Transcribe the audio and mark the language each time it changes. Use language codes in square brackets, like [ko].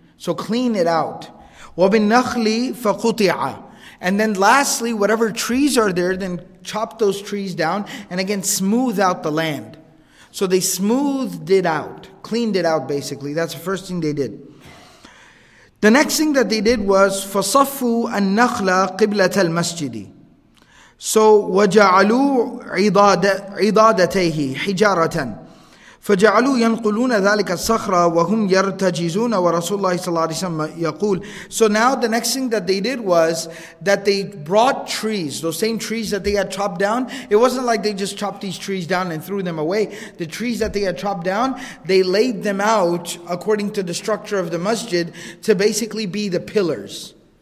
[en] So clean it out. [ar] وَبِالنَّخْلِ فَقُطِعَ, [en] and then lastly, whatever trees are there, then chop those trees down and again smooth out the land. So they smoothed it out, cleaned it out basically. That's the first thing they did. The next thing that they did was [ar] فَصَفُّوا النَّخْلَ قِبْلَةَ الْمَسْجِدِ, [en] so [ar] وَجَعَلُوا عِضَادَتَيْهِ حِجَارَةً فَجَعَلُوا يَنْقُلُونَ ذَلِكَ الصَّخْرَ وَهُمْ يَرْتَجِزُونَ وَرَسُولُ اللَّهِ صَلَّى اللَّهِ عَلَيْهِ وَسَلَّمَ يَقُولُ. [en] So now the next thing that they did was that they brought trees, those same trees that they had chopped down. It wasn't like they just chopped these trees down and threw them away. The trees that they had chopped down, they laid them out according to the structure of the masjid to basically be the pillars.